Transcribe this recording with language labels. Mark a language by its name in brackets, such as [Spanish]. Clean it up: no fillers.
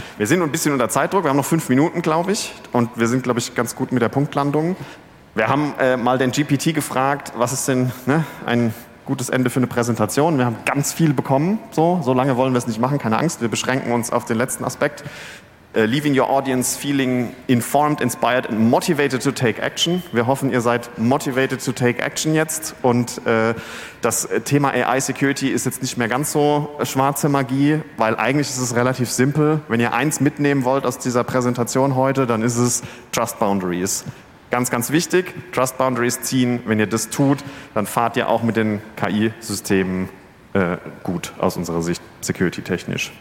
[German] Wir sind ein bisschen unter Zeitdruck. Wir haben noch 5 Minuten, glaube ich. Und wir sind, glaube ich, ganz gut mit der Punktlandung. Wir haben mal den GPT gefragt, was ist denn ein gutes Ende für eine Präsentation? Wir haben ganz viel bekommen. So lange wollen wir es nicht machen, keine Angst. Wir beschränken uns auf den letzten Aspekt. [English] Leaving your audience feeling informed, inspired and motivated to take action. [German] Wir hoffen, ihr seid [English] motivated to take action [German] jetzt. Und das Thema AI Security ist jetzt nicht mehr ganz so schwarze Magie, weil eigentlich ist es relativ simpel. Wenn ihr eins mitnehmen wollt aus dieser Präsentation heute, dann ist es Trust Boundaries. Ganz, ganz wichtig, Trust Boundaries ziehen. Wenn ihr das tut, dann fahrt ihr auch mit den KI-Systemen gut aus unserer Sicht, security-technisch.